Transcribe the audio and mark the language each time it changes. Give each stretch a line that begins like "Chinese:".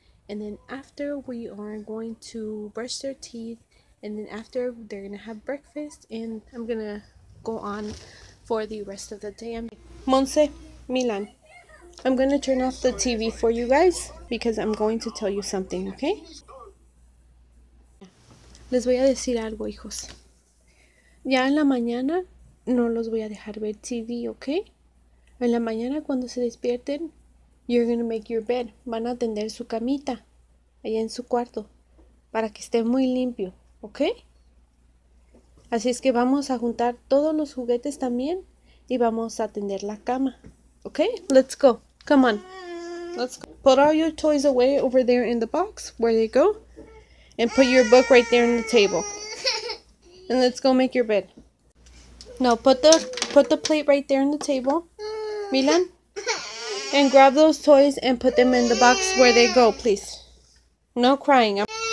English: And then after, we are going to brush their teeth. And then after, they're gonna have breakfast, and I'm gonna go on for the rest of the day. Monse, Milan, I'm gonna turn off the TV for you guys because I'm going to tell you something, okay?
Spanish: Les voy a decir algo, hijos. Ya en la mañana no los voy a dejar ver TV, okay? En la mañana cuando se despierten,
English: you're gonna make your bed.
Spanish: Van a tender su camita allá en su cuarto para que esté muy limpio. ¿Ok? Así es que vamos a juntar todos los juguetes también y vamos a tender la cama.
English: ¿Ok? Let's go. Come on. Let's go. Put all your toys away over there in the box where they go. And put your book right there on the table. And let's go make your bed. No, put the plate right there on the table. Milan. And grab those toys and put them in the box where they go, please. No crying.